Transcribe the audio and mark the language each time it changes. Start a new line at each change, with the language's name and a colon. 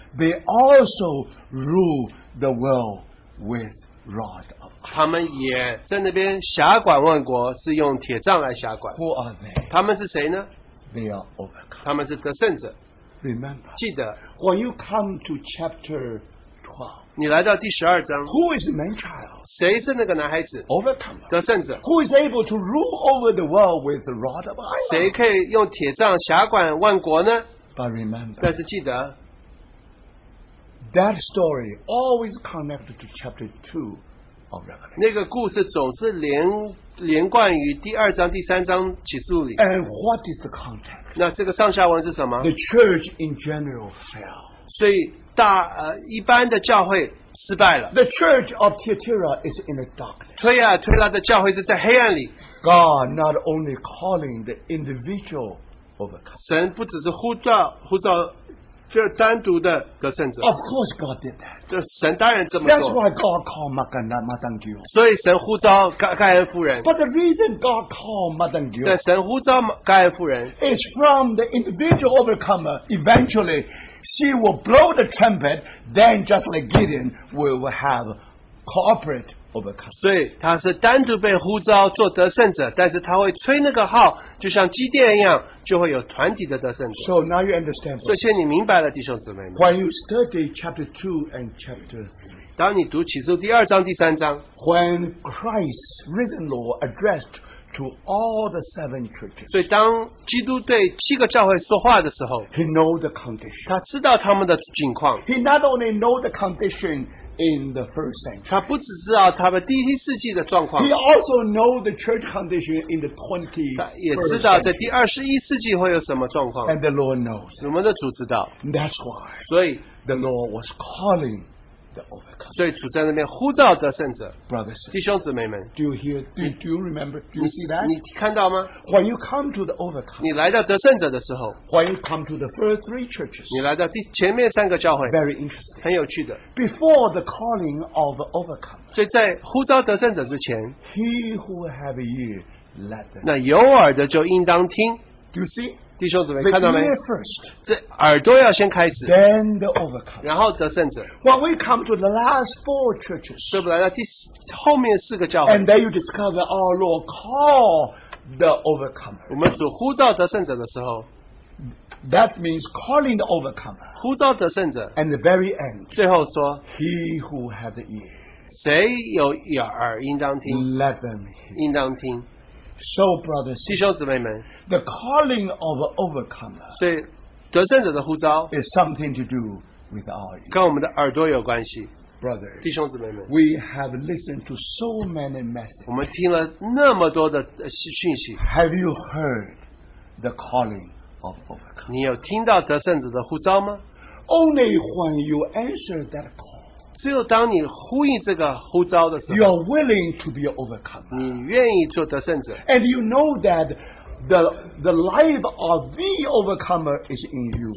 English: they also rule the world with rod of fire.
Chinese: 他们也在那边辖管万国，是用铁杖来辖管。
English: Who are they?
Chinese: 他们是谁呢？
English: They are overcome.
Chinese: 他们是得胜者。
English: Remember,
Chinese: 记得。
English: When you come to chapter 12,
Chinese: 你来到第十二章。
English: Who is the man child?
Chinese: 谁是那个男孩子？
English: Overcomer,
Chinese: 得胜者。
English: Who is able to rule over the world with the rod of iron?
Chinese: 谁可以用铁杖辖管万国呢？
English: But remember,
Chinese: 但是记得。
English: That story always connected to chapter 2 of Revelation.
Chinese: 那个故事总是连贯于第二章、第三章启示录里。
English: And what is the context?
Chinese: 那这个上下文是什么？
English: The church in general fell.
Chinese: 所以大一般的教会失败了。
English: The church of Thyatira is in the darkness.
Chinese: 推啊推拉的教会是在黑暗里。
English: God not only calling the individual overcome.
Chinese: 神不只是呼召这单独的得胜者。
English: Of course, God did that.
Chinese: 这神当然这么做。
English: That's why God called Madangio.
Chinese: 所以神呼召盖恩夫人。
English: But the reason God called Madangio.
Chinese: 对，神呼召盖恩夫人。
English: Is from the individual overcomer. Eventually, she will blow the trumpet, then just like Gideon, we will have corporate overcome.
Chinese: 所以他是单独被呼召做得胜者, 但是他会吹那个号, 就像基甸一样, 就会有团体的得胜者。
English: So now you understand.
Chinese: 所以现在你明白了, 弟兄姊妹,
English: when you study chapter 2 and chapter 3,
Chinese: 当你读启示录第二章, 第三章,
English: when Christ risen Lord addressed to all the seven churches.
Chinese: 所以当基督对七个教会说话的时候,
English: he knows the condition.
Chinese: 他知道他们的境况,
English: he not only knows the condition in the first century.
Chinese: 他不只知道他们第一世纪的状况,
English: he also knows the church condition in the 20th century. And the Lord knows.
Chinese: 我们的主知道,
English: that's why
Chinese: 所以,
English: the Lord was calling the overcomer.
Chinese: 所以主在那边呼召得胜者,
English: brothers,
Chinese: 弟兄姊妹们,
English: do you hear? Do you remember? Do you see that?
Chinese: 你看到吗?
English: When you come to the overcomer,
Chinese: 你来到得胜者的时候,
English: when you come to the first three churches,
Chinese: 你来到前面三个教会,
English: very interesting,
Chinese: 很有趣的,
English: before the calling of the overcomer,
Chinese: 所以在呼召得胜者之前,
English: he who have ear, let them,
Chinese: 那有耳的就应当听,
English: do you see?
Chinese: 弟兄姊妹,
English: the then the overcome.
Chinese: 然后得胜者,
English: when we come to the last four churches,
Chinese: 对不对,后面四个教会,
English: and then you discover our Lord call the overcomer.
Chinese: 我们主呼召得胜者的时候,
English: that means calling the overcomer.
Chinese: 呼召得胜者,
English: and the very end,
Chinese: 最后说,
English: he who have the ear,
Chinese: 谁有耳应当听,
English: let them hear.
Chinese: 应当听,
English: so, brothers,
Chinese: 弟兄姊妹们,
English: the calling of an overcomer,
Chinese: 所以得胜者的呼召,
English: is something to do with our ears.
Chinese: 跟我们的耳朵有关系,
English: brothers,
Chinese: 弟兄姊妹们,
English: we have listened to so many messages.
Chinese: 我们听了那么多的讯息,
English: have you heard the calling of an overcomer?
Chinese: 你有听到得胜者的呼召吗?
English: Only when you answer that call,
Chinese: 只有当你呼应这个呼召的时候,
English: you are willing to be an overcomer.
Chinese: 你愿意做得胜者,
English: and you know that the life of the overcomer is in you.